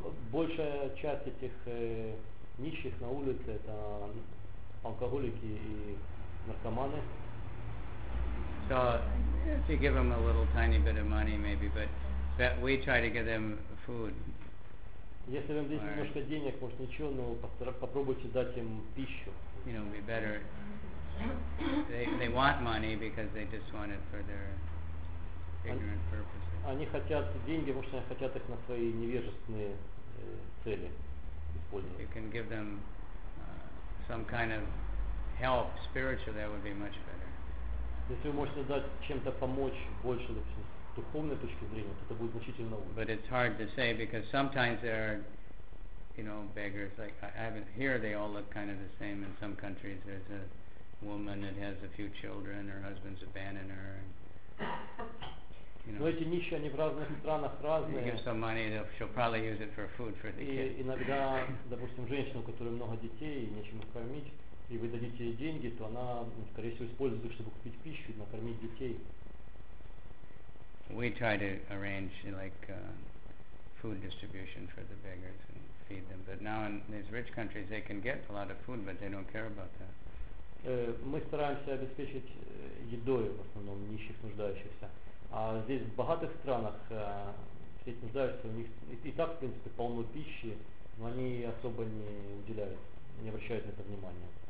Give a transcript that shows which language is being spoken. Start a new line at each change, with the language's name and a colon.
Russian: Большая часть этих нищих на улице это алкоголики и наркоманы.
English: So if you give them a little tiny bit of money, maybe, but we try to give them food.
Russian: Если вам здесь немножко денег, может ничего, но попробуйте дать им пищу.
English: You know, be better. They want money because they just want it for their ignorant purposes.
Russian: Они хотят деньги, потому что они хотят их на свои невежественные цели использовать.
English: You can give them some kind of help spiritually, that would be much better.
Russian: Если вы можете дать чем-то помочь больше, допустим, с духовной точки зрения, то это будет значительно лучше.
English: But it's hard to say because sometimes there are, you know, beggars. Like I haven't here, they all look kind of the same. In some countries, there's a woman that has a few children, her husband's abandoned her. And, you know.
Russian: Но эти нищие, они в разных странах разные.
English: You give some money, she'll probably use it for food for the kids.
Russian: И иногда, допустим, женщина, у которой много детей и нечем их кормить. И вы дадите ей деньги, то она, скорее всего, использует их, чтобы купить пищу и накормить детей.
English: We try to arrange like food distribution for the beggars and feed them. But now in these rich countries, they can get a lot of food, but they don't care about that.
Russian: Мы стараемся обеспечить едой в основном нищих нуждающихся, а здесь в богатых странах все эти нуждающиеся у них и так, в принципе, полно пищи, но они особо не уделяют, не обращают на это внимания.